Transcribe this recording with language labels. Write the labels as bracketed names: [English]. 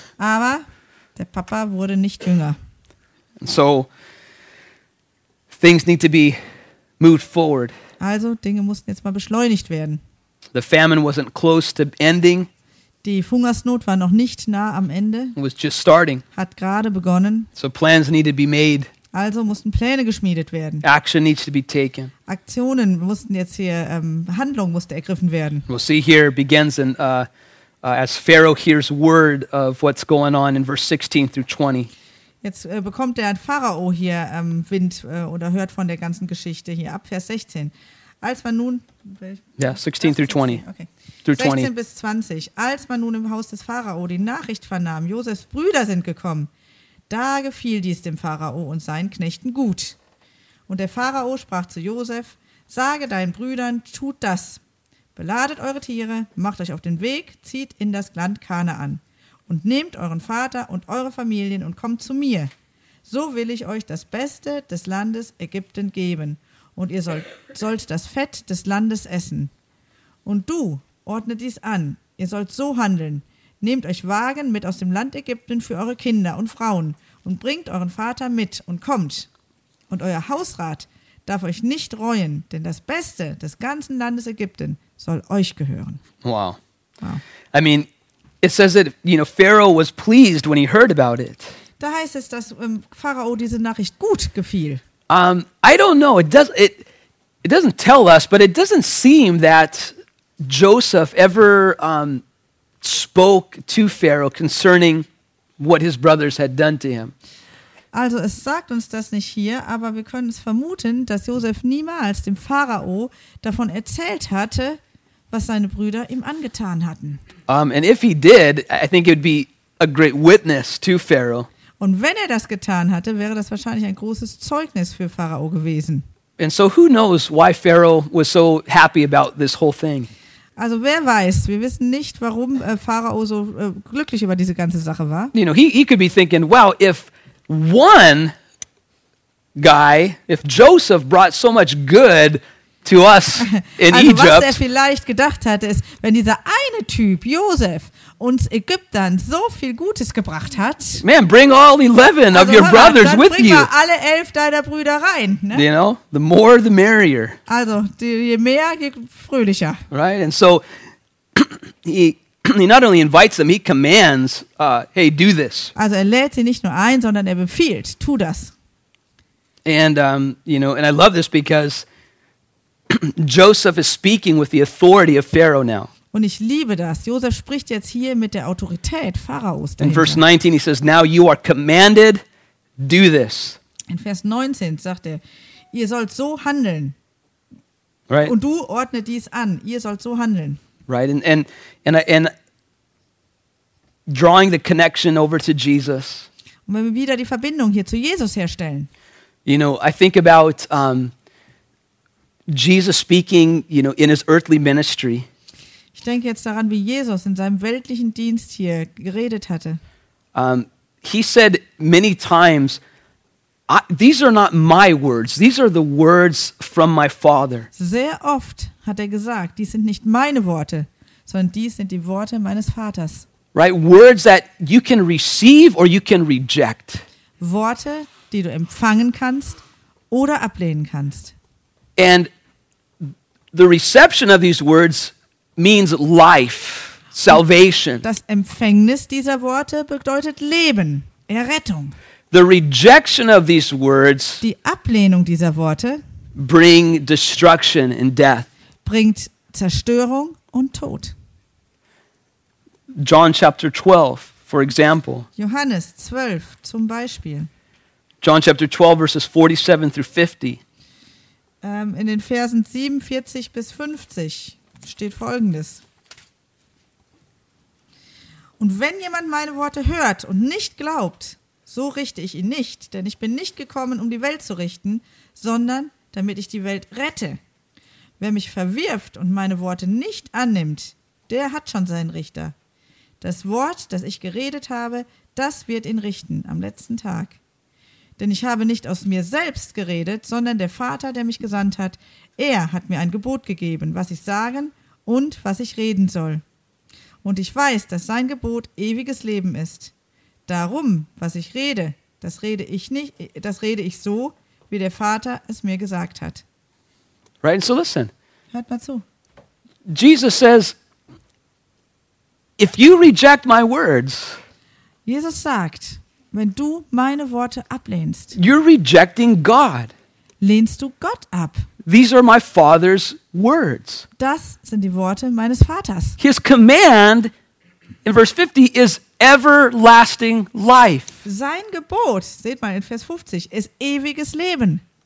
[German] Aber der Papa wurde nicht jünger. [English] And so things need to be moved forward. [German] Also Dinge mussten jetzt mal beschleunigt werden. [English] The famine wasn't close to ending. [German] Die Hungersnot war noch nicht nah am Ende. [English] It was just starting. [German] Hat gerade begonnen. [English] So plans need to be made. [German] Also mussten Pläne geschmiedet werden. [English] Action needs to be taken. [German] Aktionen mussten jetzt hier Handlung musste ergriffen werden. [English] We'll see here begins in as Pharaoh hears word of what's going on in verse 16 through 20. [German] Jetzt bekommt der Pharao hier Wind oder hört von der ganzen Geschichte hier ab Vers 16. Als man nun ja, [English] 16 through 20. Okay. Through 20. [German] 16 bis 20. Als man nun im Haus des Pharao die Nachricht vernahm, Josefs Brüder sind gekommen, da gefiel dies dem Pharao und seinen Knechten gut. Und der Pharao sprach zu Josef: Sage deinen Brüdern, tut das. Beladet eure Tiere, macht euch auf den Weg, zieht in das Land Kanaan und nehmt euren Vater und eure Familien und kommt zu mir. So will ich euch das Beste des Landes Ägypten geben und ihr sollt das Fett des Landes essen. Und du ordnet dies an, ihr sollt so handeln, nehmt euch Wagen mit aus dem Land Ägypten für eure Kinder und Frauen und bringt euren Vater mit und kommt. Und euer Hausrat darf euch nicht reuen, denn das Beste des ganzen Landes Ägypten soll euch gehören. [English] Wow. I mean, it says that, you know, Pharaoh was pleased when he heard about it. [German] Da heißt es, dass Pharao diese Nachricht gut gefiel. [English] I don't know. It doesn't tell us, but it doesn't seem that Joseph ever spoke to Pharaoh concerning what his brothers had done to him. [German] Also es sagt uns das nicht hier, aber wir können es vermuten, dass Josef niemals dem Pharao davon erzählt hatte, was seine Brüder ihm angetan hatten. [English] And if he did, I think it would be a great witness to Pharaoh. [German] Und wenn er das getan hatte, wäre das wahrscheinlich ein großes Zeugnis für Pharao gewesen. [English] And so who knows why Pharaoh was so happy about this whole thing? [German] Also wer weiß, wir wissen nicht, warum Pharao so glücklich über diese ganze Sache war. [English] You know, he could be thinking, wow, if one guy, if Joseph brought so much good to us in [German] also, [English] Egypt. [German] Was er vielleicht gedacht hatte, ist, wenn dieser eine Typ, Joseph, uns Ägyptern so viel Gutes gebracht hat. [English] Man, bring all 11 [German] also, [English] of your brothers [German] dann [English] with you. [German] Bring mal alle 11 deiner Brüder rein. Ne? [English] You know, the more the merrier. [German] Also, je mehr, je fröhlicher. [English] Right, and so he not only invites them, he commands, hey, do this. [German] Also er lädt sie nicht nur ein, sondern er befiehlt, tu das. [English] And, you know, and I love this because Joseph is speaking with the authority of Pharaoh now. [German] Und ich liebe das. Joseph spricht jetzt hier mit der Autorität Pharaos. In Vers 19 [English] he says, now you are commanded, do this. [German] In Vers 19 sagt er, ihr sollt so handeln. [English] Right. [German] Und du ordne dies an, ihr sollt so handeln. [English] Right. And drawing the connection over to Jesus. [German] Und wenn wir wieder die Verbindung hier zu Jesus herstellen. [English] You know, I think about Jesus speaking, you know, in his earthly ministry. [German] Ich denke jetzt daran, wie Jesus in seinem weltlichen Dienst hier geredet hatte. [English] He said many times, these are not my words, these are the words from my Father. [German] Sehr oft hat er gesagt, dies sind nicht meine Worte, sondern dies sind die Worte meines Vaters. [English] Right, words that you can receive or you can reject. [German] Worte, die du empfangen kannst oder ablehnen kannst. [English] And the reception of these words means life, salvation. [German] Das Empfängnis dieser Worte bedeutet Leben, Errettung. [English] The rejection of these words, [German] die Ablehnung dieser Worte, [English] bring destruction and death. [German] Bringt Zerstörung und Tod. [English] John chapter 12, for example. [German] Johannes 12 zum Beispiel. [English] John chapter 12 verses 47 through 50. [German] In den Versen 47 bis 50 steht Folgendes. Und wenn jemand meine Worte hört und nicht glaubt, so richte ich ihn nicht, denn ich bin nicht gekommen, um die Welt zu richten, sondern damit ich die Welt rette. Wer mich verwirft und meine Worte nicht annimmt, der hat schon seinen Richter. Das Wort, das ich geredet habe, das wird ihn richten am letzten Tag. Denn ich habe nicht aus mir selbst geredet, sondern der Vater, der mich gesandt hat, er hat mir ein Gebot gegeben, was ich sagen und was ich reden soll. Und ich weiß, dass sein Gebot ewiges Leben ist. Darum, was ich rede, das rede ich so, wie der Vater es mir gesagt hat. [English] Right, so listen. [German] Hört mal zu. [English] Jesus says, if you reject my words, [German] Jesus sagt, wenn du meine Worte ablehnst, [English] you're rejecting God. [German] Lehnst du Gott ab. [English] These are my Father's words. [German] Das sind die Worte meines Vaters. [English] His command in verse 50 is everlasting life. [German] Sein Gebot, seht mal in Vers 50, ist ewiges Leben.